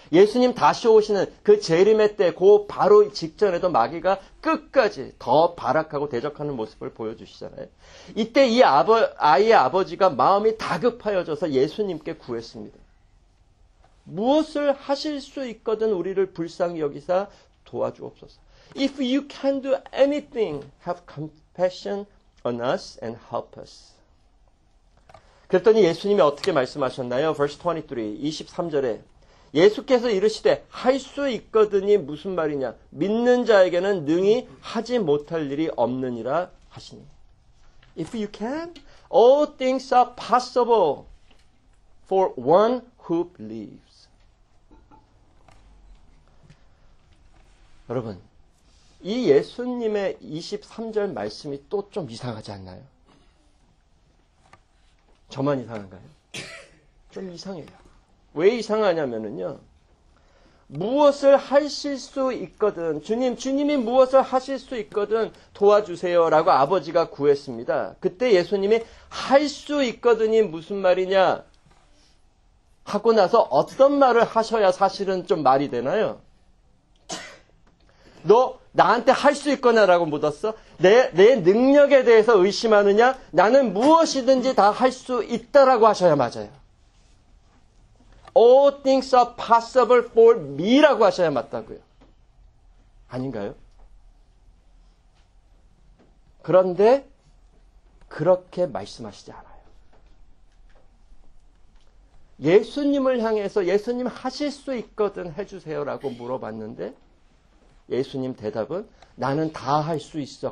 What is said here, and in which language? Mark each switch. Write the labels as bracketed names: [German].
[Korean] 예수님 다시 오시는 그 재림의 때, 그 바로 직전에도 마귀가 끝까지 더 발악하고 대적하는 모습을 보여주시잖아요. 이때 이 아이의 아버지가 마음이 다급하여져서 예수님께 구했습니다. 무엇을 하실 수 있거든 우리를 불쌍히 여기사 도와주옵소서. [English] If you can do anything, have compassion on us and help us. [Korean] 그랬더니 예수님이 어떻게 말씀하셨나요? [English] Verse 23, [Korean] 23절에 예수께서 이르시되 할수 있거든이 무슨 말이냐? 믿는 자에게는 능히 하지 못할 일이 없느니라 하시니. [English] If you can, all things are possible for one who believes. [Korean] 여러분, 이 예수님의 23절 말씀이 또좀 이상하지 않나요? 저만 이상한가요? 좀 이상해요. 왜 이상하냐면요. 무엇을 하실 수 있거든, 주님이 무엇을 하실 수 있거든 도와주세요라고 아버지가 구했습니다. 그때 예수님이 할수 있거든이 무슨 말이냐 하고 나서 어떤 말을 하셔야 사실은 좀 말이 되나요? 너 나한테 할수 있거나라고 묻었어? 내 능력에 대해서 의심하느냐? 나는 무엇이든지 다할수 있다라고 하셔야 맞아요. [English] All things are possible for me라고 [Korean] 하셔야 맞다고요. 아닌가요? 그런데 그렇게 말씀하시지 않아요. 예수님을 향해서 예수님 하실 수 있거든 해주세요라고 물어봤는데 예수님 대답은 나는 다할수 있어.